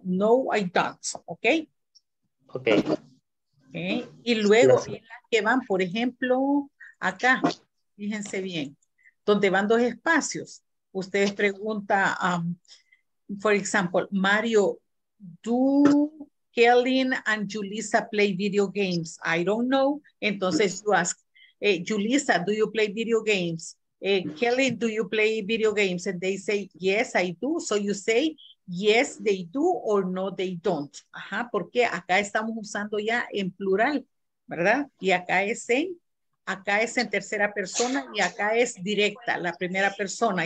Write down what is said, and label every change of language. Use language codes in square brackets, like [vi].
[en] No, I don't, ¿ok? Ok. [es] Okay. Y luego, las que van, por ejemplo, acá, fíjense bien, donde van dos espacios, ustedes preguntan, [en] for example, Mario, do... Kellen and Julissa play video games. I don't know. [es] Entonces [en] you ask, Julissa, do you play video games? Kelly, do you play video games? And they say, yes, I do. So you say, yes, they do, or no, they don't. [es] Ajá, porque acá estamos usando ya en plural, ¿verdad? Y acá es en tercera persona, y acá es directa, la primera persona.